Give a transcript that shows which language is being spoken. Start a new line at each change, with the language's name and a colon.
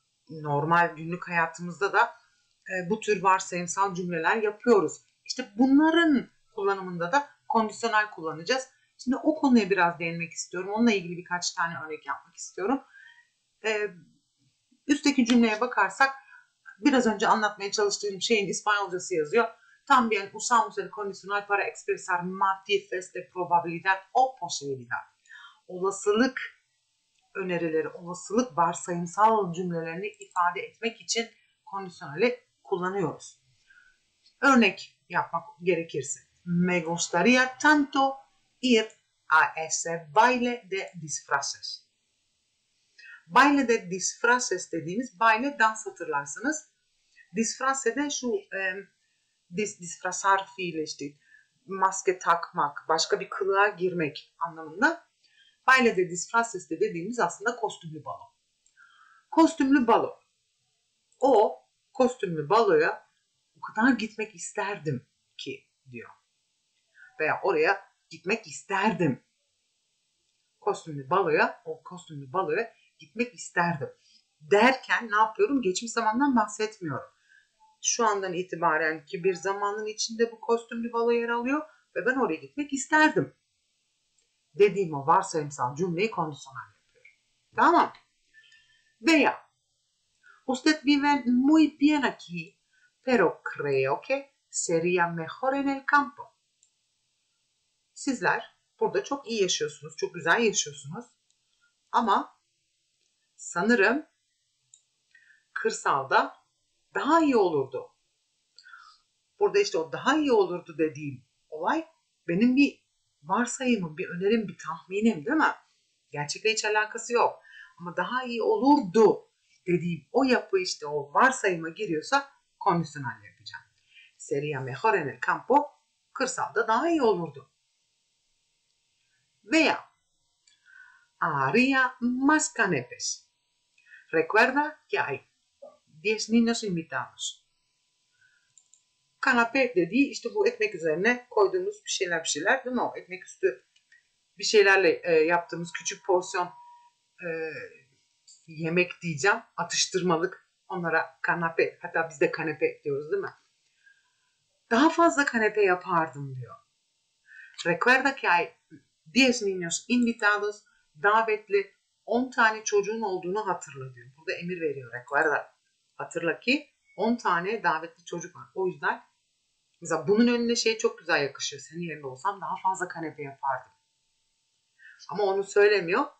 Turkish: Normal günlük hayatımızda da bu tür varsayımsal cümleler yapıyoruz. İşte bunların kullanımında da kondisyonel kullanacağız. Şimdi o konuya biraz değinmek istiyorum. Onunla ilgili birkaç tane örnek yapmak istiyorum. Üstteki cümleye bakarsak biraz önce anlatmaya çalıştığım şeyin İspanyolcası yazıyor.
Spanish: Tam bien usamos el condicional para expresar matices de probabilidad o posibilidad.
Turkish: Olasılık önerileri, olasılık varsayımsal cümlelerini ifade etmek için kondisyonali kullanıyoruz. Örnek yapmak gerekirse.
Spanish: Me gustaría tanto ir a ese baile de disfraces. Baile de disfraces
Turkish: dediğimiz baile dans hatırlarsınız. Disfrace de şu disfrazar fiili işte maske takmak, başka bir kılığa girmek anlamında.
Spanish: Baile de disfraces de
Turkish: dediğimiz aslında kostümlü balo. Kostümlü balo. O kostümlü baloya o kadar gitmek isterdim ki diyor. Veya oraya gitmek isterdim. Kostümlü baloya, o kostümlü baloya gitmek isterdim. Derken ne yapıyorum? Geçmiş zamandan bahsetmiyorum. Şu andan itibaren ki bir zamanın içinde bu kostümlü balo yer alıyor ve ben oraya gitmek isterdim. Dediğim o varsayımsal cümleyi kondisyonel yapıyorum. Tamam. Veya
Spanish: usted vive muy bien aquí, pero creo que sería mejor en el campo.
Turkish: Sizler burada çok iyi yaşıyorsunuz, çok güzel yaşıyorsunuz. Ama sanırım kırsalda daha iyi olurdu. Burada işte o daha iyi olurdu dediğim olay benim bir varsayımım, bir önerim, bir tahminim değil mi? Gerçekle hiç alakası yok. Ama daha iyi olurdu dediğim o yapı işte o varsayıma giriyorsa kondisyonel yapacağım.
Spanish: Sería mejor en el campo,
Turkish: kırsalda daha iyi olurdu. Veya
Spanish: haría más canapés. Recuerda que hay 10 niños invitados.
Turkish: Kanepe dediği işte bu ekmek üzerine koyduğumuz bir şeyler değil mi? O ekmek üstü bir şeylerle yaptığımız küçük porsiyon yemek diyeceğim. Atıştırmalık onlara kanepe. Hatta biz de kanepe diyoruz değil mi? Daha fazla kanepe yapardım diyor.
Spanish: Recuerda que hay 10 niños invitados.
Turkish: Davetli 10 tane çocuğun olduğunu hatırla diyor. Burada emir veriyor.
Spanish: Recuerda.
Turkish: Hatırla ki 10 tane davetli çocuk var. O yüzden mesela bunun önüne şey çok güzel yakışıyor. Senin yerinde olsam daha fazla kanepe yapardım. Ama onu söylemiyor.